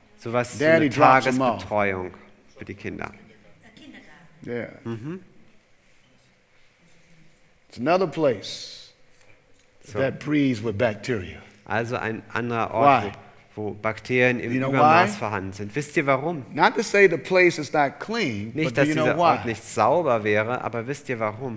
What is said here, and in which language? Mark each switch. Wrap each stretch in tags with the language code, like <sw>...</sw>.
<de>So was wie eine Tagesbetreuung für die Kinder.</de> <en>Yeah. Mm-hmm. It's another place that breeds with bacteria.</en> <de>Also ein anderer Ort, wo Bakterien im Übermaß vorhanden sind. Wisst ihr warum?</de> <en>Not to say the place is not clean,</en> <de>nicht,</de> <en>but do you know why?</en> <de>Nicht, dass dieser Ort nicht sauber wäre, aber wisst ihr warum?</de>